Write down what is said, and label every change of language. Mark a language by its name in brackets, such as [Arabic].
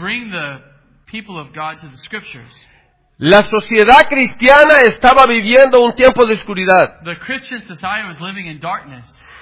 [English] Bring the people of God to the scriptures. [Spanish] La sociedad cristiana estaba viviendo un tiempo de oscuridad. [English] The Christian society was living in darkness.